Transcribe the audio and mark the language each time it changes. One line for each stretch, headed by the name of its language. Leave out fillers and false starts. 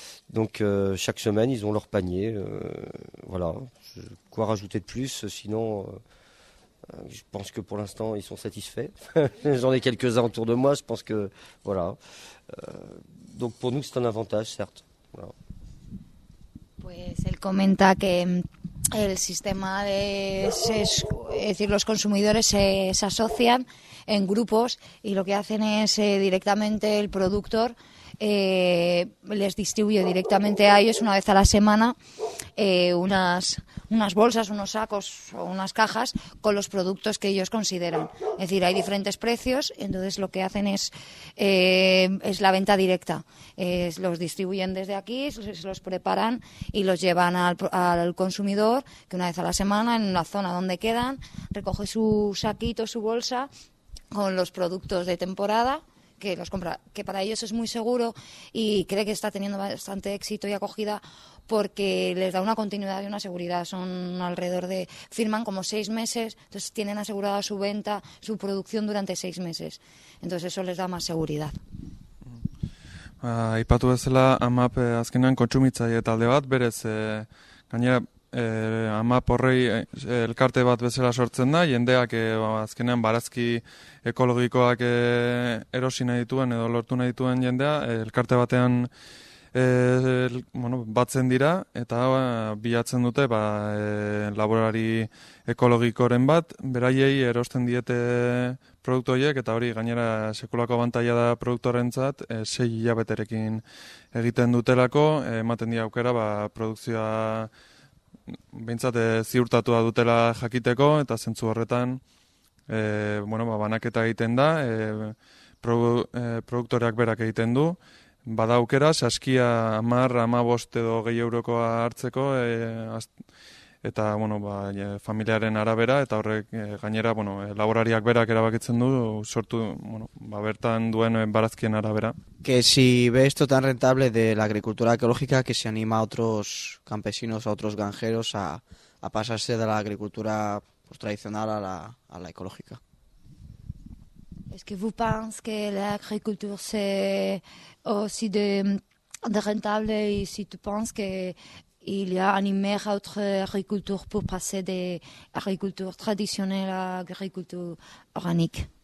French: Donc chaque semaine ils ont leur panier, voilà, quoi rajouter de plus, sinon je pense que pour l'instant, ils sont satisfaits. J'en ai quelques-uns autour de moi. Je pense que, voilà. Donc, pour nous, c'est un avantage, certes. Voilà.
Spanish: Pues, él comenta que el sistema de... es decir, los consumidores se asocian en grupos y lo que hacen es directamente el productor les distribuye directamente a ellos una vez a la semana unas bolsas, unos sacos o unas cajas con los productos que ellos consideran. Es decir, hay diferentes precios, entonces lo que hacen es la venta directa. Los distribuyen desde aquí, se los preparan y los llevan al consumidor, que una vez a la semana, en la zona donde quedan, recoge su saquito, su bolsa, con los productos de temporada, que los compra, que para ellos es muy seguro y cree que está teniendo bastante éxito y acogida, porque les da una continuidad y una seguridad. Son alrededor de... firman como 6 meses, entonces tienen asegurada su venta, su producción durante 6 meses. Entonces eso les da más seguridad.
Basque: Aipatu bezala, AMAP azkenan kontsumitzaile talde bat, berez, gainera, AMAP horrei elkarte bat bezala sortzen da, jendeak azkenan barazki ekologikoak erosi nahi dituen edo lortu nahi dituen jendea, elkarte batean bueno, batzen dira eta bilatzen dute ba laborari ekologikoren bat, beraiei erosten diete produktu horiek eta hori gainera sekulako abantaila da produktorentzat, 6 hilabeterekin egiten dutelako, ematen dira aukera ba produkzioa beintzat ziurtatua dutela jakiteko eta zentzu horretan bueno, ba banaketa egiten da, produktoreak berak egiten du. Bada aukera, saskia 10, 15 edo 20 eurokoa hartzeko eta bueno, ba, familiaren arabera eta horrek gainera bueno, laborariak berak erabakitzen du sortu, bueno, ba, bertan duen barazkien arabera.
Spanish: Que si ve esto tan rentable de la agricultura ecológica que se anima a otros campesinos, a otros granjeros a pasarse de la agricultura pues, tradicional a la ecológica.
French: Est-ce que vous pensez que l'agriculture c'est aussi de rentable et si tu penses qu'il y a animé à autre agriculture pour passer de l'agriculture traditionnelle à l'agriculture organique?